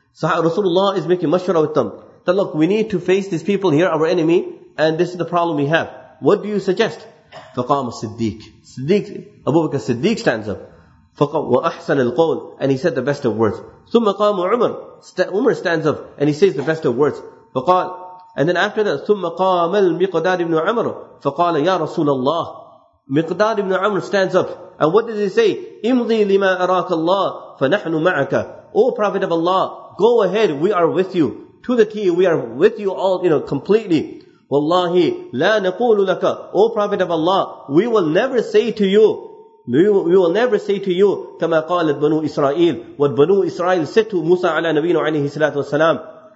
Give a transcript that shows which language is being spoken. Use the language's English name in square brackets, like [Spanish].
[English] Sahaba Rasulullah is making mashwara with them. That look, we need to face these people here, our enemy. And this is the problem we have. What do you suggest? [Arabic] فَقَامَ الصِّدِّيقِ [English] Siddiq, Abu Bakr Siddiq stands up. [Arabic] وَأَحْسَنَ الْقَوْلِ [English] And he said the best of words. [Arabic] ثُمَّ قَامُ عُمَرُ [English] Umar stands up and he says the best of words. [Arabic] فَقَالَ [English] And then after that, [Arabic] ثُمَّ قَامَ الْمِقْدَارِ بْنُ عَمَرُ فَقَالَ يَا رَسُولَ اللَّهِ مِقْدَارِ بْنُ عَمَرُ [English] stands up. And what does he say? [Arabic] إِمْضِي لِمَا أَرَاكَ اللَّهِ فَنَحْنُ مَعَكَ [English] O Prophet of Allah, go ahead, we are with you. To the T, we are with you all, you know, completely. [Arabic] Wallahi, la naqulu laka, [English] O Prophet of Allah, we will never say to you, we will never say to you, [Arabic] kama qalat banu Israel, [English] what banu Israel said to Musa ala Nabiyyina alayhi salatu wasalam.